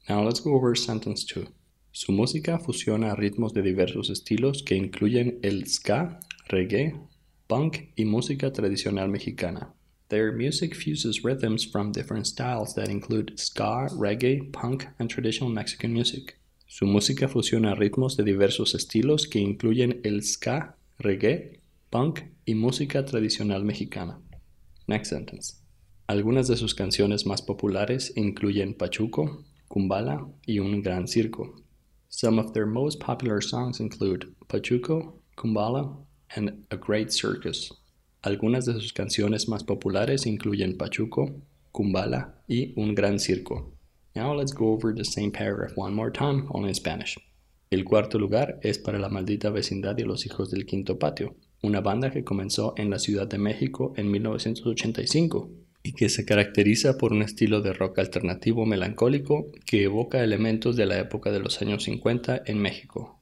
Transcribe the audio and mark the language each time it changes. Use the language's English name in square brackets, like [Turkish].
[English] Now let's go over sentence 2. [Spanish] Su música fusiona ritmos de diversos estilos que incluyen el ska, reggae, punk y música tradicional mexicana. [English] Their music fuses rhythms from different styles that include ska, reggae, punk, and traditional Mexican music. [Spanish] Su música fusiona ritmos de diversos estilos que incluyen el ska, reggae, punk y música tradicional mexicana. [English] Next sentence. [Spanish] Algunas de sus canciones más populares incluyen Pachuco, Cumbala y Un Gran Circo. [English] Some of their most popular songs include Pachuco, Cumbala, and A Great Circus. [Spanish] Algunas de sus canciones más populares incluyen Pachuco, Cumbala y Un Gran Circo. [English] Now let's go over the same paragraph one more time, only in Spanish. [Spanish] El cuarto lugar es para La Maldita Vecindad y Los Hijos del Quinto Patio, una banda que comenzó en la Ciudad de México en 1985 y que se caracteriza por un estilo de rock alternativo melancólico que evoca elementos de la época de los años 50 en México.